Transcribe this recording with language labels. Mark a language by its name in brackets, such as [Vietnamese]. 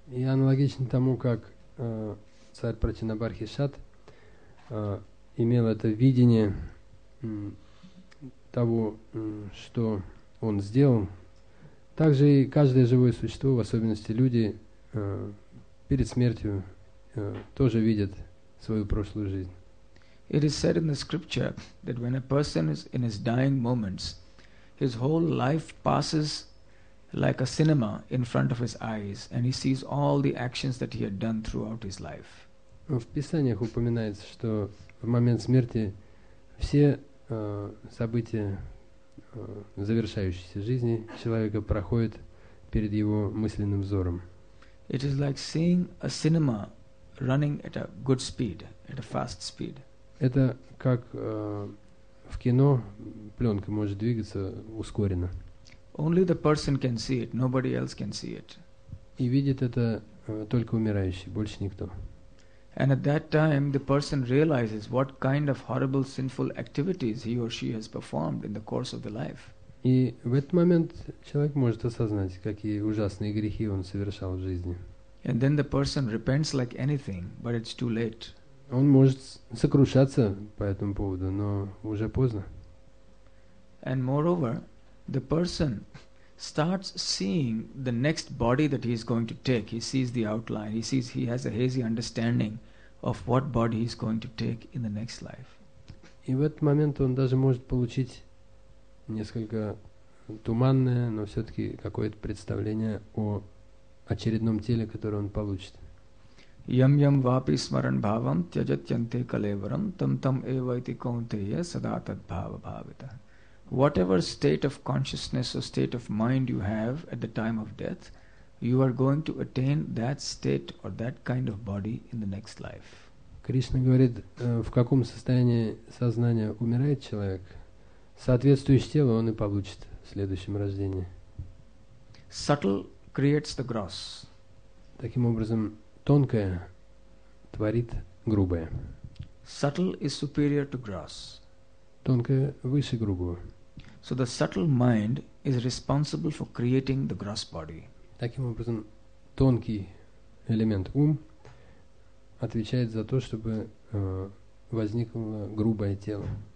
[Russian] И аналогично тому, как царь Прачина Бархишат имел это видение того, что он сделал, также и каждое живое существо, в особенности люди, перед смертью тоже видят свою прошлую жизнь. [English] It is said in the scripture that when a person is in his dying moments, his whole life passes like a cinema in front of his eyes, and he sees all the actions that he had done throughout his life. [Russian] В писаниях упоминается, что в момент смерти все события завершающейся жизни человека проходят перед его мысленным взором. [English] It is like seeing a cinema running at a good speed, at a fast speed. [Russian] Это как в кино пленка может двигаться ускоренно. [English] Only the person can see it, nobody else can see it. [Russian] И видит это только умирающий, больше никто. [English] And at that time the person realizes what kind of horrible sinful activities he or she has performed in the course of the life. [Russian] И в этот момент человек может осознать, какие ужасные грехи он совершал в жизни. [English] And then the person repents like anything, but it's too late. [Russian] Он может сокрушаться по этому поводу, но уже поздно. [English] And moreover, the person starts seeing the next body that he is going to take. He sees the outline. He sees he has a hazy understanding of what body he is going to take in the next life. [Russian] И в этот момент он даже может получить несколько туманное, но все-таки какое-то представление о очередном теле, которое он получит. [Sanskrit] Yam yam vapi smaran bhavam tyajat yante kalevaram tam tam eva iti kaunteya sadatat bhava bhavita. [English] Whatever state of consciousness or state of mind you have at the time of death, you are going to attain that state or that kind of body in the next life. [Russian] Кришна говорит, в каком состоянии сознания умирает человек, соответствующее тело он и получит в следующем рождении. [English] Subtle creates the gross. [Russian] Таким образом, тонкое творит грубое. [English] Subtle is superior to gross. [Russian] Тонкое выше грубого. [English] So the subtle mind is responsible for creating the gross body. [Russian] Таким образом, тонкий элемент ум отвечает за то, чтобы возникло грубое тело.